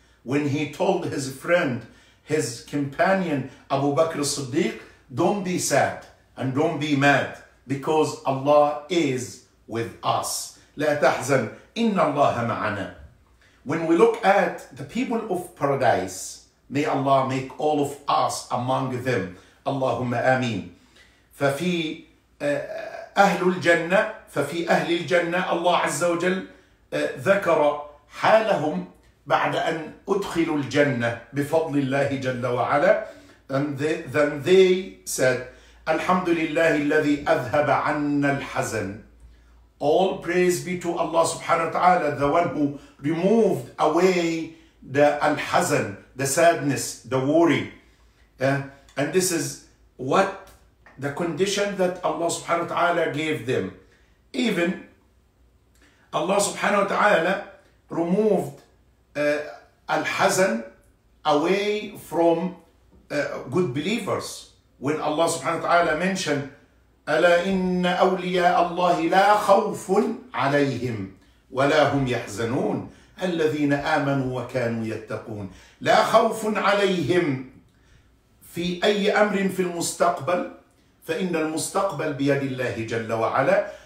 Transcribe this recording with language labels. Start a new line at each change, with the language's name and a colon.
English: when he told his friend, his companion Abu Bakr as-Siddiq, don't be sad and don't be mad, because Allah is with us.
Arabic: لَا تَحْزَنْ إِنَّ اللَّهَ مَعَنَا.
English: When we look at the people of paradise, may Allah make all of us among them.
Arabic: Allahumma ameen. فَفِي أَهْلُ الْجَنَّةِ ففي أهل الجنة الله عز وجل ذكر حالهم بعد أن أدخلوا الجنة بفضل الله جل وعلا.
English: And then they said,
Arabic: الحمد لله الذي أذهب عنا الحزن.
English: All praise be to Allah subhanahu wa ta'ala, the one who removed away the الحزن, the sadness, the worry. And this is what the condition that Allah subhanahu wa ta'ala gave them. Even Allah subhanahu wa ta'ala removed al-hazan away from good believers. When Allah subhanahu wa ta'ala mentioned,
Arabic: أَلَا إِنَّ أَوْلِيَاءَ اللَّهِ لَا خَوْفٌ عَلَيْهِمْ وَلَا هُمْ يَحْزَنُونَ الَّذِينَ آمَنُوا وَكَانُوا يَتَّقُونَ. لَا خَوْفٌ عَلَيْهِمْ فِي أَيِّ أَمْرٍ فِي الْمُسْتَقْبَلِ فَإِنَّ الْمُسْتَقْبَلِ بِيَدِ اللَّهِ جَلَّ وَعَلَى.